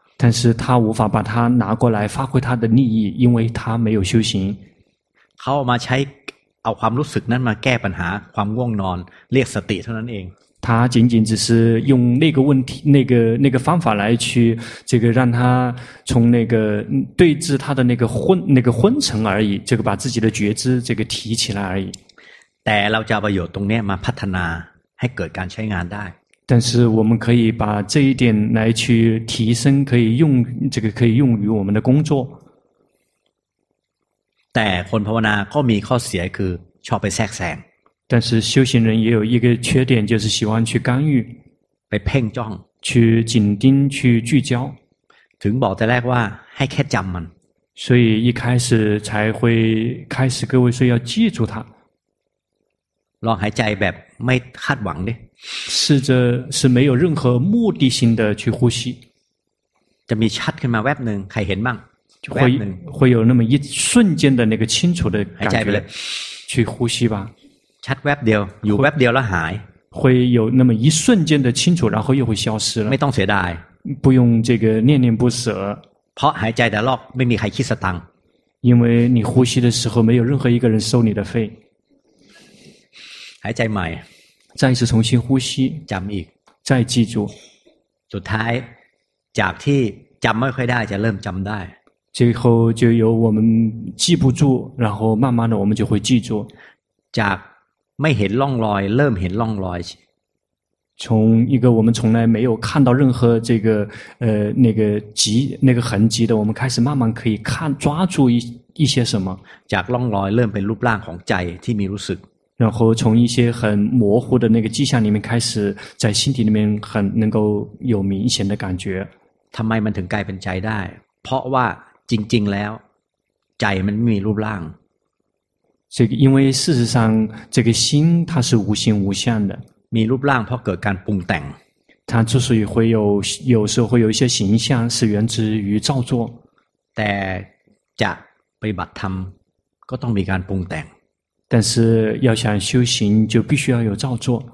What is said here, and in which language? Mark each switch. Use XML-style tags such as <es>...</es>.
<zh>但是他无法把它拿过来发挥他的利益因为他没有修行</zh> <th>เขาเอามาใช้เอาความรู้สึกนั้นมาแก้ปัญหาความง่วงนอนเรียกสติเท่านั้นเอง</th> <zh>他仅仅只是用那个问题那个方法来去这个让他从那个对治他的那个昏沉而已这个把自己的觉知这个提起来而已</zh> <th>แต่เราจะประโยชน์ตรงนี้มาพัฒนาให้เกิดการใช้งานได้</th> <zh>但是我们可以把这一点来去提升，可以用这个可以用于我们的工作。</zh> <th>แต่คนภาวนาก็มีข้อเสียคือชอบไปแทรกแซง。</th> <zh>但是修行人也有一个缺点，就是喜欢去干预，</zh> <th>ไปเพ่งจ้อง，</th> <zh>去紧盯，去聚焦。</zh> <th>ถึงบอกแต่แรกว่าให้แค่จำมัน。</th> <zh>所以一开始才会开始各位说要记住它。</zh> <th>ลองหายใจแบบไม่คาดหวังดิ</th> <zh>试着是没有任何目的性的去呼吸</zh> <th>จะมีชัดขึ้นมาแวบหนึ่งใครเห็นบ้าง แวบหนึ่ง</th> <zh>会有那么一瞬间的那个清楚的感觉去呼吸吧</zh> <th>ชัดแวบเดียวอยู่แวบเดียวแล้วหาย</th> <zh>会有那么一瞬间的清楚然后又会消失了</zh> <th>ไม่ต้องเสียดาย</th> <zh>不用这个念念不舍</zh> <th>เพราะหายใจแต่รอบไม่มีใครคิดสตังค์</th> <zh>因为你呼吸的时候没有任何一个人收你的费</zh> <th>หายใจใหม่</th> <zh>再次重新呼吸</zh> <th>จำอีก</th> <zh>再记住</zh> <th>สุดท้ายจากที่จำไม่ค่อยได้จะเริ่มจำได้</th> <zh>最后就由我们记不住然后慢慢的我们就会记住</zh> <th>จากไม่เห็นร่องรอยเริ่มเห็นร่องรอย</th> <zh>从一个我们从来没有看到任何这个那个痕迹的我们开始慢慢可以看抓住一些什么</zh> <th>จากร่องรอยเริ่มเป็นรูปร่างของใจที่มีรู้สึก</th> <zh>然后从一些很模糊的那个迹象里面开始在心底里面很能够有明显的感觉</zh> <th>ทำไมมันถึงกลายเป็นใจได้เพราะว่าจริงๆแล้วใจมันไม่มีรูปร่าง</th> <zh>这个因为事实上这个心它是无形无相的</zh> <th>มีรูปร่างเพราะเกิดการปรุงแต่ง</th> <zh>它之所以会有时候会有一些形象是源自于造作</zh> <th>แต่จะปฏิบัติธรรมก็ต้องมีการปรุงแต่ง</th> <zh>但是要想修行就必须要有造作</zh>